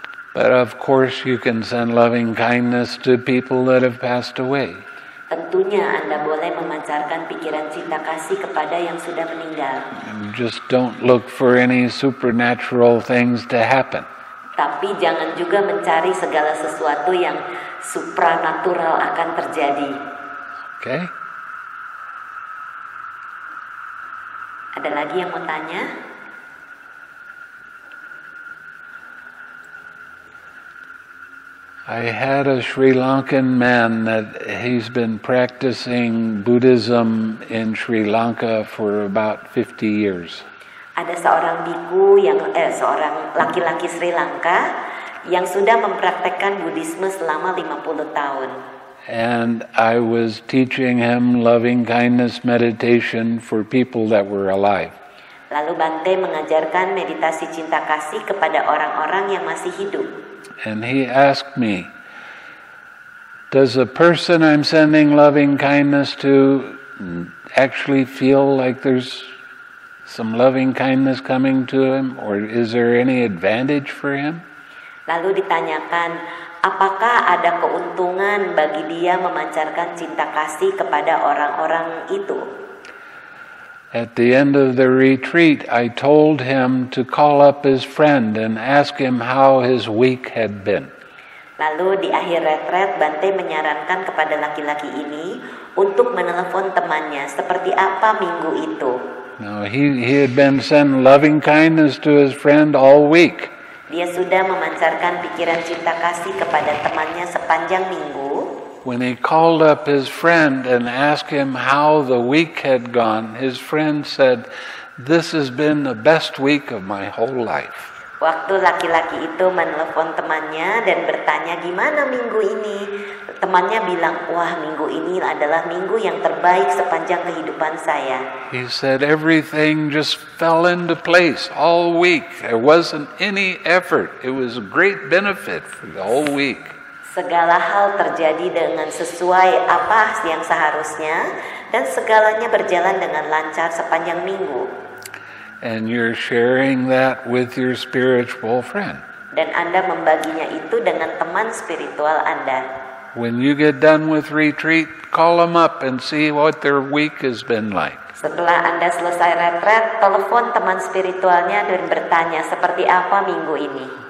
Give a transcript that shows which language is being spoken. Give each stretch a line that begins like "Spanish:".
English: But of course you can send loving kindness to people that have passed away.
Indonesian: Tentunya Anda boleh memancarkan pikiran cinta kasih kepada yang sudah meninggal.
English: Just don't look for any supernatural things to happen.
Indonesian: Tapi jangan juga mencari segala sesuatu yang supranatural akan terjadi.
English: Okay.
Indonesian: Ada lagi yang mau tanya?
English: I had a Sri Lankan man that he's been practicing Buddhism in Sri Lanka for about 50 years.
Indonesian: Ada seorang biku yang seorang laki-laki Sri Lanka yang sudah mempraktekkan Buddhisme selama 50 tahun.
English: And I was teaching him loving kindness meditation for people that were alive.
Indonesian: Lalu Bhante mengajarkan meditasi cinta kasih kepada orang-orang yang masih hidup.
English: And he asked me, does a person I'm sending loving kindness to actually feel like there's some loving kindness coming to him, or is there any advantage for him?
Indonesian: Lalu ditanyakan, apakah ada keuntungan bagi dia memancarkan cinta kasih kepada orang-orang itu?
English: At the end of the retreat, I told him to call up his friend and ask him how his week had been.
Indonesian: Lalu di akhir retret, Bhante menyarankan kepada laki-laki ini untuk menelepon temannya seperti apa minggu itu.
English: Now he had been sending loving kindness to his friend all week.
Indonesian: Dia sudah memancarkan pikiran cinta kasih kepada temannya sepanjang minggu.
English: When he called up his friend and asked him how the week had gone, his friend said, "This has been the best week of my whole life."
Indonesian: Waktu laki-laki itu menelepon temannya dan bertanya gimana minggu ini. Temannya bilang, wah minggu ini adalah minggu yang terbaik sepanjang kehidupan saya.
English: He said everything just fell into place all week. There wasn't any effort. It was a great benefit for the whole week.
Indonesian: Segala hal terjadi dengan sesuai apa yang seharusnya dan segalanya berjalan dengan lancar sepanjang minggu.
English: And you're sharing that with your spiritual friend.
Indonesian: Dan Anda membaginya itu dengan teman spiritual Anda.
English: When you get done with retreat, call them up and see what their week has been like.
Indonesian: Setelah Anda selesai retret, telepon teman spiritualnya dan bertanya seperti apa minggu ini.